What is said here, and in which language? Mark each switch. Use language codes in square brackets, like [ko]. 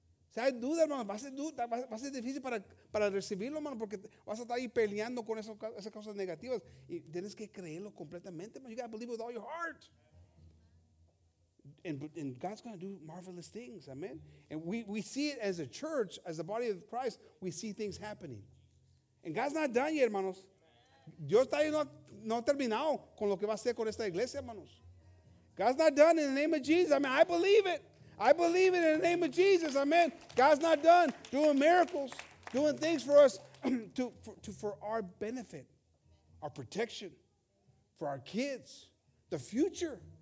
[es] O sea, hay duda, hermano. Va a ser difícil para recibirlo, hermano, porque vas a estar ahí peleando con esas cosas negativas. Y tienes que creerlo completamente, hermano. [en] You got to believe with all your heart. And God's going to do marvelous things, amen. And we see it as a church, as the body of Christ, we see things happening. And God's not done yet, hermanos. [es] Dios está ahí no terminado con lo que va a hacer con esta iglesia, hermanos. [en] God's not done in the name of Jesus. I mean, I believe it. I believe it in the name of Jesus. Amen. God's not done doing miracles, doing things for us for our benefit, our protection, for our kids, the future.